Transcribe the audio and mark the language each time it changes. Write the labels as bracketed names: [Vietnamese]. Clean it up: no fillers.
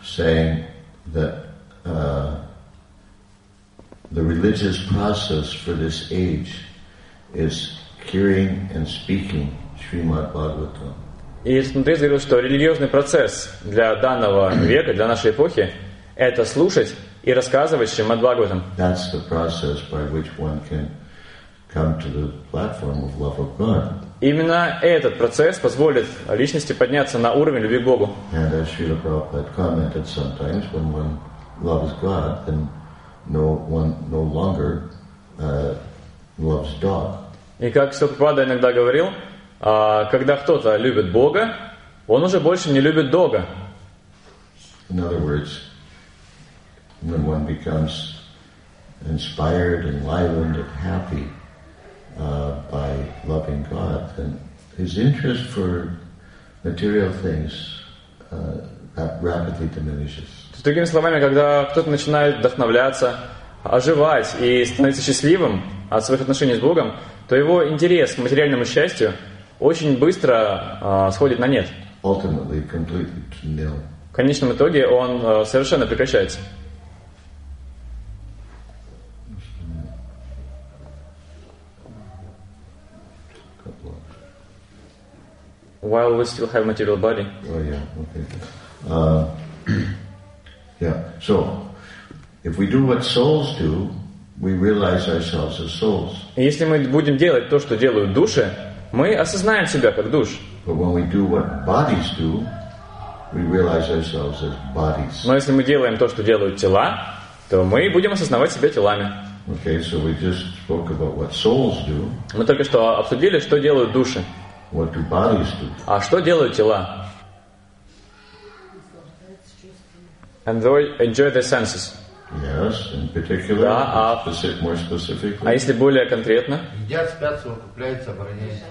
[English] Saying that the religious process for this age is hearing and speaking Srimad Bhagavatam. [Russian] И этот мудрец говорил, что религиозный процесс для данного века, для нашей эпохи, это слушать и рассказывать Шримад Бхагаватам. [English] That's the process by which one can come to the platform of love of God. [Russian] Именно этот процесс позволит личности подняться на уровень любви к Богу. [English] And as Srila Prabhupada commented, sometimes when one loves God, then one no longer loves dog. [Russian] И как Шрила Прабхупада иногда говорил, когда кто-то любит Бога, он уже больше не любит дога. [English] In other words, when one becomes inspired, enlivened, and happy by loving God, then his interest for material things rapidly diminishes. [Russian] Другими словами, когда кто-то начинает вдохновляться, оживать и становиться счастливым от своих отношений с Богом, то его интерес к материальному счастью очень быстро сходит на нет. [English] Ultimately, completely to nil. [Russian] В конечном итоге он совершенно прекращается. [English] While we still have material body. Oh yeah, okay. So if we do what souls do, we realize ourselves as souls. [Russian] Если мы будем делать то, что делают души, мы осознаем себя как душ. [English] But when we do what bodies do, we realize ourselves as bodies. [Russian] Но если мы делаем то, что делают тела, то мы будем осознавать себя телами. [English] Okay, so we just spoke about what souls do. [Russian] Мы только что обсудили, что делают души. [English] What do bodies do? [Russian] А что делают тела? [English] and they enjoy the senses. Yes, in particular. [Russian] Да, а [English] more specifically. [Russian] А если более конкретно? Едят, спят, совокупляются, обороняются.